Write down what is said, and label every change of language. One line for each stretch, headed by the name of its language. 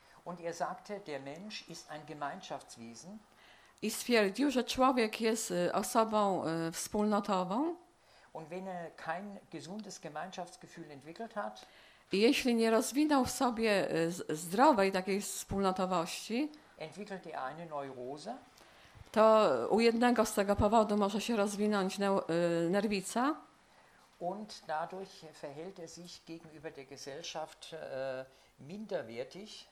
German: Und er sagte, der Mensch ist ein Gemeinschaftswesen.
Polish: I stwierdził, że człowiek jest osobą wspólnotową.
German: Und wenn er kein gesundes Gemeinschaftsgefühl entwickelt hat,
Polish: i jeśli nie rozwinął w sobie zdrowej takiej wspólnotowości,
German: entwickelt er eine Neurose.
Polish: To u jednego z tego powodu może się rozwinąć nerwica.
German: Und dadurch verhält er sich gegenüber der Gesellschaft minderwertig.